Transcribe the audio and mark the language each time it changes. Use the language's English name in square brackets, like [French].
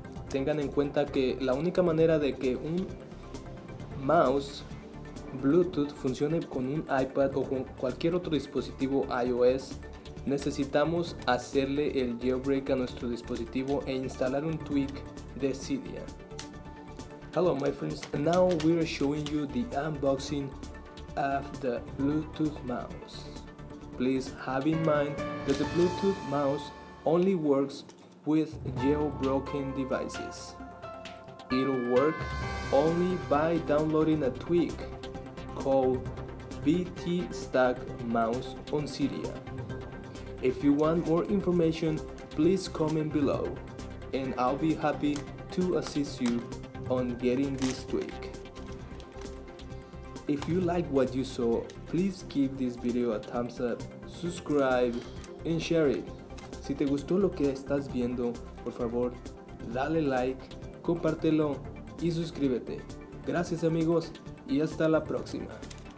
[Spanish] Tengan en cuenta que la única manera de que un mouse Bluetooth funcione con un iPad o con cualquier otro dispositivo iOS, necesitamos hacerle el jailbreak a nuestro dispositivo e instalar un tweak de Cydia. [English] Hello my friends, now we are showing you the unboxing of the Bluetooth mouse. Please have in mind that the Bluetooth mouse only works with jailbroken devices. It'll work only by downloading a tweak called BT Stack Mouse on Cydia. If you want more information, please comment below and I'll be happy to assist you on getting this tweak. If you like what you saw, please give this video a thumbs up, subscribe and share it. [Spanish] Si te gustó lo que estás viendo, por favor, dale like, compártelo y suscríbete. Gracias amigos y hasta la próxima.